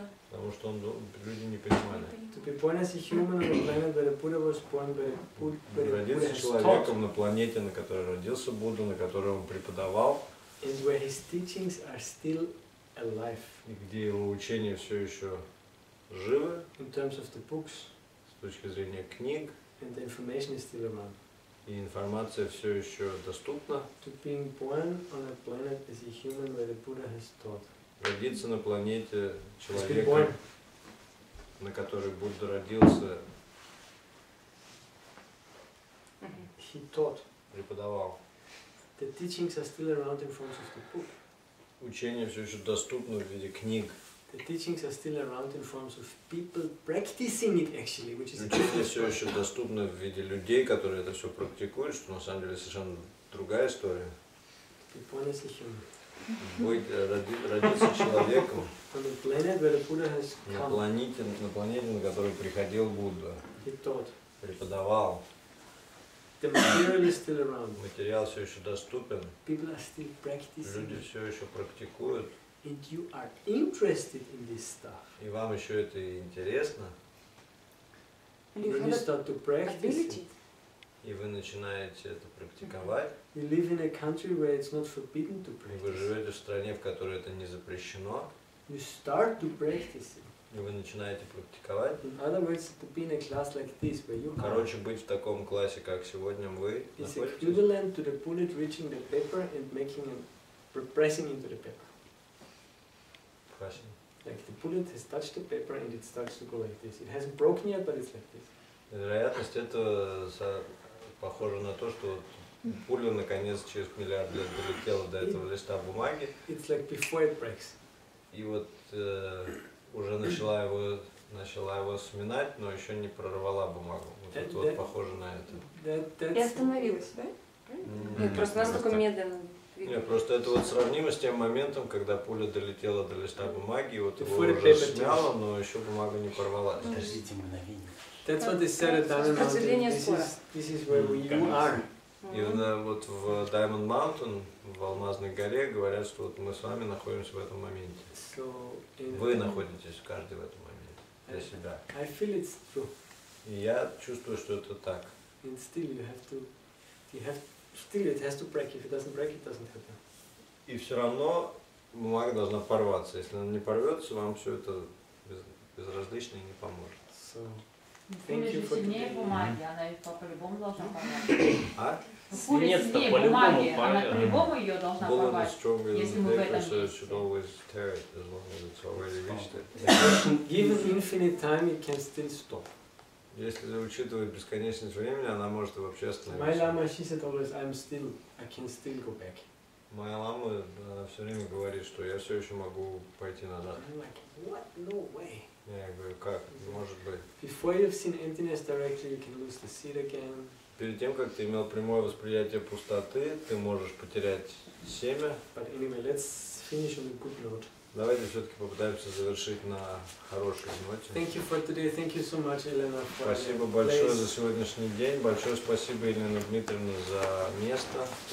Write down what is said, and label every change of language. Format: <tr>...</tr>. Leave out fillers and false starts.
<ru>Потому что он, люди не понимали.</ru> <en>To be born as a human on a planet where the Buddha was born, where</en> <ru>Родиться человеком на планете, на которой родился Будда, на которой он преподавал.</ru> <en>And where his teachings are still alive.</en> <ru>И где его учения все еще живы.</ru> <en>In terms of the books.</en> <ru>С точки зрения книг.</ru> <en>And the information is still around.</en> <ru>И информация все еще доступна.</ru> <en>To being born on a planet as a human where the Buddha has taught.</en> <ru>Родиться на планете человека, на которой Будда родился.</ru> <en>He taught.</en> <ru>Преподавал.</ru> <en>The teachings are still around in front of the book.</en> <ru>Учения все еще доступны в виде книг.</ru> <en>The teachings are still around in forms of people practicing it, actually, which is.</en> <ru>Учения все еще доступны в виде людей, которые это все практикуют, что на самом деле совершенно другая история.</ru> <en>The point is human.</en> <ru>Родиться человеком.</ru> <en>On the planet where the Buddha has come.</en> <ru>На планете, на которой приходил Будда.</ru> <en>He taught.</en> <ru>Преподавал.</ru> <en>The material is still around.</en> <ru>Материал все еще доступен.</ru> <en>People are still practicing.</en> <ru>Люди все еще практикуют.</ru> <en>And you are interested in this stuff.</en> <ru>И вам еще это интересно.</ru> <en>When you start to practice it.</en> <ru>И вы начинаете это практиковать.</ru> <en>You live in a country where it's not forbidden to practice.</en> <ru>И вы живете в стране, в которой это не запрещено.</ru> <en>You start to practice it.</en> <ru>И вы начинаете практиковать.</ru> <en>In other words, to be in a class like this, where you.</en> <ru>Короче, быть в таком классе, как сегодня вы.</ru> <en>It's equivalent to the bullet reaching the paper and making it, pressing into the paper. Pressing. Like the bullet has touched the paper and it starts to go like this. It hasn't broken yet, but it's like this.</en> <ru>Вероятность этого похожа на то, что пуля наконец через миллиард лет долетела до этого листа бумаги.</ru> <en>It's like before it breaks.</en> <ru>И вот. Уже начала его сминать, но еще не прорвала бумагу. Вот that, это вот that, похоже на это. И остановилась, да? Просто настолько медленно. Нет, просто это вот сравнимо с тем моментом, когда пуля долетела до листа бумаги, и вот его уже смяло, но еще бумага не порвалась. Подождите мгновение.</ru> <en>That's what they said at Diamond Mountain. This is where you are.</en> <ru>И вот в Diamond Mountain, в Алмазной горе, говорят, что вот мы с вами находимся в этом моменте.</ru> <en>So,</en> <ru>вы находитесь каждый в этом моменте для себя.</ru> <en>I feel it's true.</en> <ru>И я чувствую, что это так.</ru> <en>And still you have to, still it has to break. If it doesn't break, it doesn't happen.</en> <ru>И все равно бумага должна порваться. Если она не порвется, вам все это безразлично и не поможет. So. Пуля же сильнее бумаги, она по-любому должна порвать. А? Пуля сильнее бумаги, она по-любому ее должна порвать, если мы в этом месте.</ru> <en>Bullet is strong as paper, so it should always tear it, as long as it's already reached it. Given infinite time, it can still stop.</en> <ru>Если учитывать бесконечность времени, она может вообще остановиться.</ru> <en>My lama, she said always, I can still go back.</en> <ru>Моя лама, она все время говорит, что я все еще могу пойти назад.</ru> <en>I'm like, what? No way.</en> <ru>Я говорю, как? Может быть.</ru> <en>Before you've seen emptiness directly, you can lose the seed again.</en> <ru>Перед тем, как ты имел прямое восприятие пустоты, ты можешь потерять семя.</ru> <en>But anyway, let's finish on a good note.</en> <ru>Давайте все-таки попытаемся завершить на хорошей ноте.</ru> <en>Thank you for today. Thank you so much, Elena.</en> <ru>Спасибо большое за сегодняшний день. Большое спасибо, Елена Дмитриевна, за место.</ru>